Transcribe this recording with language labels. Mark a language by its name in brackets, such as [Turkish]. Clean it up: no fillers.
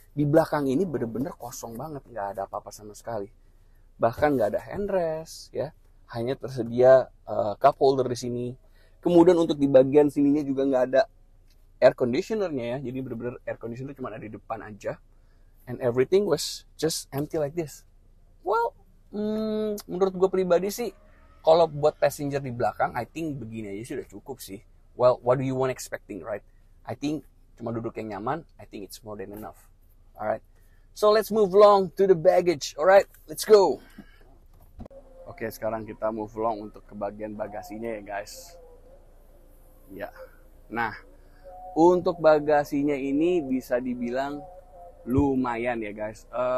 [Indonesian] Di belakang ini benar-benar kosong banget, nggak ada apa-apa sama sekali. Bahkan nggak ada handrest ya, hanya tersedia cup holder di sini. Kemudian untuk di bagian sininya juga nggak ada air conditionernya ya, jadi benar-benar air conditioner cuma ada di depan aja. [English] And everything was just empty like this. Well, [Indonesian] menurut gue pribadi sih, kalau buat passenger di belakang, [English] I think [Indonesian] begini aja sudah cukup sih. [English] Well, what do you want expecting, right? I think [Indonesian] cuma duduk yang nyaman, [English] I think it's more than enough. Alright, so let's move along to the baggage. Alright, let's go. [Indonesian] Oke, sekarang kita [English] move along [Indonesian] untuk ke bagian bagasinya ya guys. Ya, nah untuk bagasinya ini bisa dibilang lumayan ya guys.